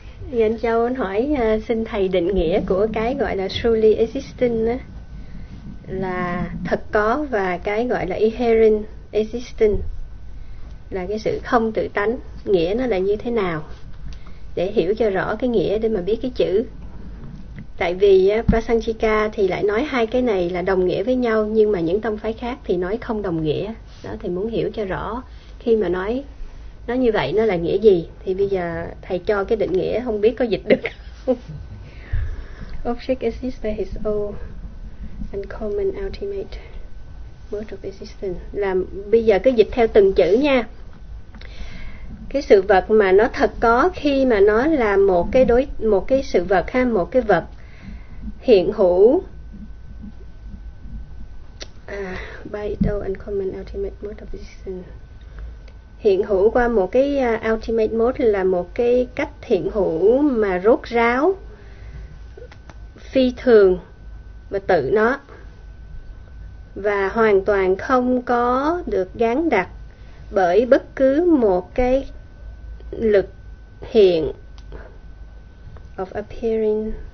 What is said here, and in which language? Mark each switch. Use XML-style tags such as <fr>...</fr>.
<vi>Thì anh Châu anh hỏi xin thầy định nghĩa của cái gọi là truly existing là thật có, và cái gọi là inherent existing là cái sự không tự tánh, nghĩa nó là như thế nào, để hiểu cho rõ cái nghĩa để mà biết cái chữ. Tại vì Prasangika thì lại nói hai cái này là đồng nghĩa với nhau, nhưng mà những tông phái khác thì nói không đồng nghĩa. Đó, thì muốn hiểu cho rõ khi mà nói nó như vậy nó là nghĩa gì. Thì bây giờ thầy cho cái định nghĩa, không biết có dịch được.</vi> <en>Object exists by his own uncommon ultimate mode of existence.</en> <vi>Là bây giờ cứ dịch theo từng chữ nha. Cái sự vật mà nó thật có khi mà nó là một cái đối, một cái sự vật ha, một cái vật hiện hữu.</vi> <en>By its own uncommon ultimate mode of existence.</en> <vi>Hiện hữu qua một cái ultimate mode là một cái cách hiện hữu mà rốt ráo, phi thường và tự nó, và hoàn toàn không có được gán đặt bởi bất cứ một cái lực hiện</vi> <en>of appearing</en>